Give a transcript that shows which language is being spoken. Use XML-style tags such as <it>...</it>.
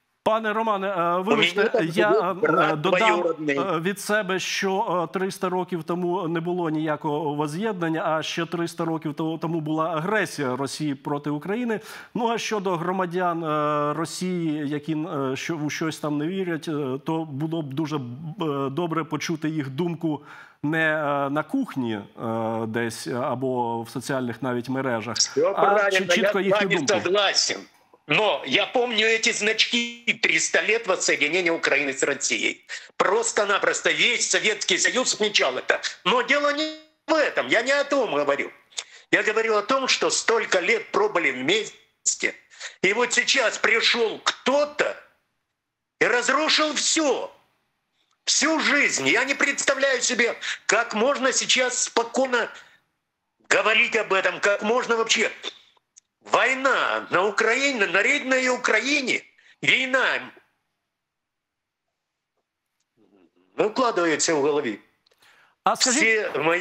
<uk>Пане Романе, вибачте, я додам від себе, що 300 років тому не було ніякого воз'єднання, а ще 300 років тому була агресія Росії проти України. Ну, а щодо громадян Росії, які у щось там не вірять, то було б дуже добре почути їх думку не на кухні десь або в соціальних навіть мережах, а чітко їхню думку.</uk> <ru>Но я помню эти значки 300 лет воссоединения Украины с Россией. Просто-напросто весь Советский Союз отмечал это. Но дело не в этом, я не о том говорю. Я говорю о том, что столько лет пробыли вместе, и вот сейчас пришел кто-то и разрушил все, всю жизнь. Я не представляю себе, как можно сейчас спокойно говорить об этом, как можно вообще... Война</ru> <uk>на Україні, на рідній Україні, війна викладається в голові. А скажіть...</uk>